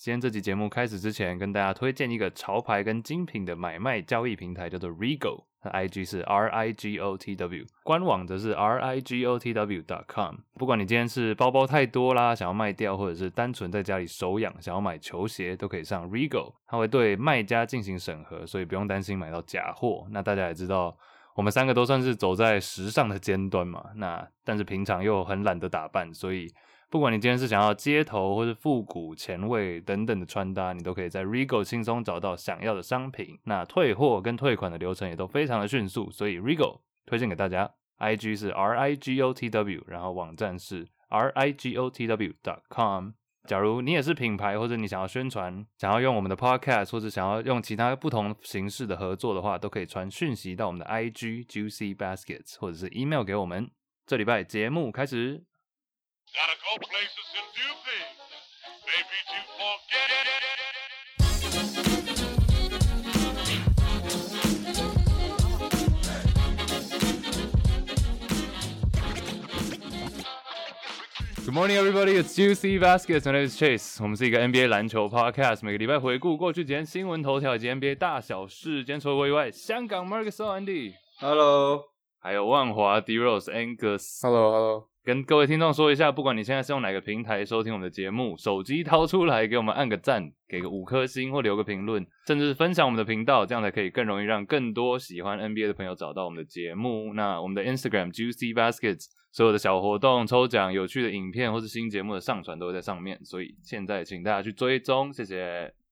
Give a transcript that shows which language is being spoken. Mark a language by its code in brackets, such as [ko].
[zh] 今天这集节目开始之前，跟大家推荐一个潮牌跟精品的买卖交易平台，叫做 Rigotw。 IG 是 RIGOTW， 官网则是 RIGOTW.com。不管你今天是包包太多啦，想要卖掉，或者是单纯在家里手痒，想要买球鞋，都可以上 Rigotw。它会对卖家进行审核，所以不用担心买到假货。那大家也知道，我们三个都算是走在时尚的尖端嘛。那但是平常又很懒得打扮，所以不管你今天是想要街头或是复古前卫等等的穿搭，你都可以在 Rigotw 轻松找到想要的商品。那退货跟退款的流程也都非常的迅速，所以 Rigotw 推荐给大家。 IG 是 RIGOTW， 然后网站是 RIGOTW.com。假如你也是品牌，或者你想要宣传，想要用我们的 podcast， 或者想要用其他不同形式的合作的话，都可以传讯息到我们的 IG Juicy Baskets， 或者是 email 给我们。这礼拜节目开始。 [en] Gotta go places and do things. Maybe to forget it. Good morning, everybody. It's Juicy Baskets. My name is Chase. [zh] 我们是一个 NBA 篮球 podcast， 每个礼拜回顾过去几天新闻头条以及 NBA 大小事。今天除了我以外，香港 Marcus Andy， Hello，还有万华 D Rose Angus， Hello， Hello。跟各位听众说一下，不管你现在是用哪个平台收听我们的节目，手机掏出来给我们按个赞，给个五颗星或留个评论，甚至是分享我们的频道，这样才可以更容易让更多喜欢 NBA 的朋友找到我们的节目。那我们的 Instagram Juicy Baskets 所有的小活动、抽奖、有趣的影片或是新节目的上传都会在上面，所以现在请大家去追踪，谢谢。